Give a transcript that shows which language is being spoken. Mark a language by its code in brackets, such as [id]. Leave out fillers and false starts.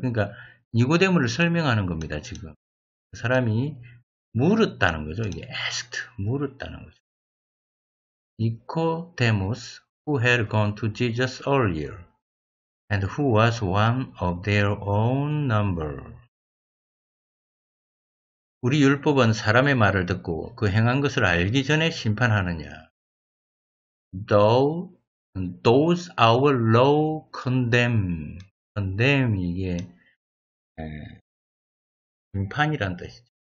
[ko] 그러니까 니고데모를 설명하는 겁니다, 지금. 그 사람이 물었다는 거죠. 이게 asked, 물었다는 거죠. [en] Nicodemus, who had gone to Jesus earlier, and who was one of their own number. [ko] 우리 율법은 사람의 말을 듣고 그 행한 것을 알기 전에 심판하느냐? [en] Those our law condemn [ko] 이게 심판이란 뜻이죠.